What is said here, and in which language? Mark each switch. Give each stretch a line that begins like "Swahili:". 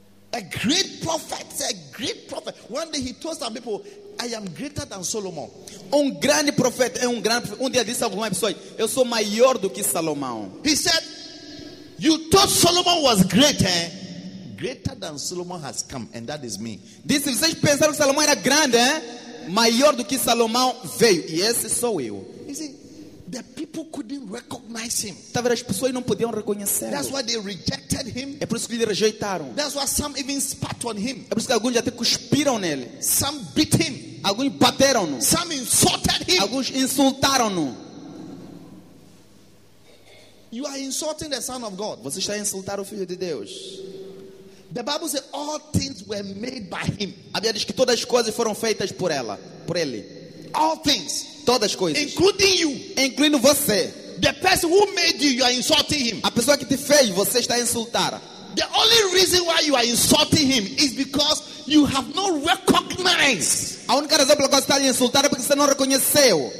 English: A great prophet, a great prophet. One day he told some people, I am greater than Solomon.
Portuguese: Um grande profeta. Um dia disse a algumas pessoas, eu sou maior do que Salomão.
English: He said, you thought Solomon was great, eh? Greater than Solomon has come, and that is me.
Portuguese: Disse, vocês pensaram que Salomão era grande, eh? Maior do que Salomão veio. E esse sou eu.
English: You see, the people couldn't recognize him.
Portuguese: Talvez as pessoas não podiam reconhecê-lo.
English: That's why they rejected him.
Portuguese: É por isso que lhe rejeitaram.
English: That's why some even spat on him.
Portuguese: É por isso que alguns até cuspiram nele.
English: Some beat him.
Portuguese: Alguns bateram-no.
English: Some insulted him.
Portuguese: Alguns insultaram-no.
English: You are insulting the Son of God.
Portuguese: Você está a insultar o Filho de Deus.
English: The Bible says all things were made by him.
Portuguese: A Bíblia diz que todas as coisas foram feitas por ela, por ele.
English: All things,
Portuguese: todas as coisas,
English: including you,
Portuguese: incluindo você.
English: The person who made you are insulting him.
Portuguese: A pessoa que te fez, você está a insultar.
English: The only reason why you are insulting him is because you have not recognized.
Portuguese: A única razão pela qual você está a insultar é porque você não reconheceu